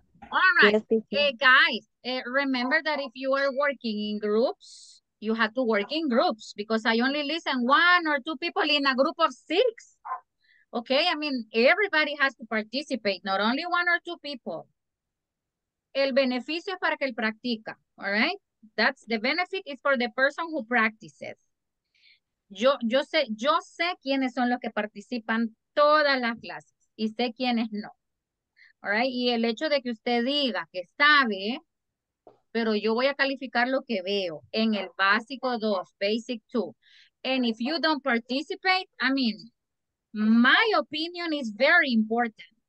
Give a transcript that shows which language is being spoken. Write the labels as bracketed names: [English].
[English] All right. Yes, teacher. Guys, remember that if you are working in groups, you have to work in groups because I only listen one or two people in a group of six. Okay, I mean, everybody has to participate, not only one or two people. [Spanish] El beneficio es para que él practica, [English] all right? That's the benefit is for the person who practices. [Spanish] Yo sé quiénes son los que participan todas las clases y sé quiénes no, all right? Y el hecho de que usted diga que sabe, pero yo voy a calificar lo que veo en el básico 2, basic 2. [English] And if you don't participate, I mean, my opinion is very important.